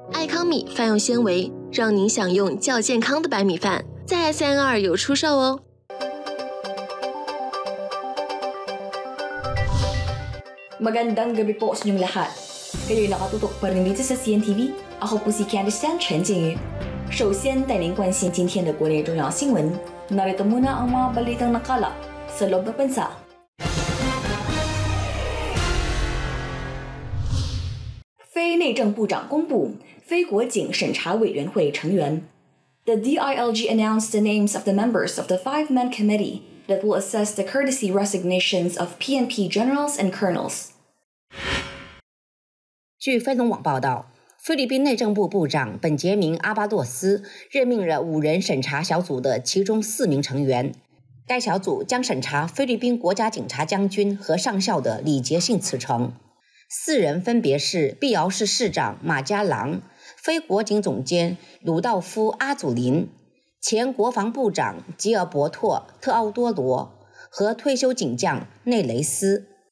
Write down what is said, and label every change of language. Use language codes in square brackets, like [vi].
[zh] 爱康米饭用纤维，让您享用较健康的白米饭，在 SNR 有出售哦。 [tl] Magandang gabi po sa inyong lahat. Kayo'y nakatutok pa rin dito sa CNTV. Ako po si Candice Chan, Chen Jingyu. [zh] 首先带您关心今天的国内重要新闻。 [tl] Narito muna ang mga balitang nakalap sa loob ng bansa. [zh] Fei 内政部长公布非国警审查委员会成员。 [en] The DILG announced the names of the members of the five-man committee. That will assess the courtesy resignations of PNP generals and colonels. [zh] 据菲龙网报道，菲律宾内政部部长本杰明·阿巴洛斯任命了五人审查小组的其中四名成员。该小组将审查菲律宾国家警察将军和上校的礼节性辞呈。四人分别是碧瑶市市长马家郎、非国警总监鲁道夫·阿祖林、前国防部长吉尔伯特·特奥多罗和退休警将内雷斯。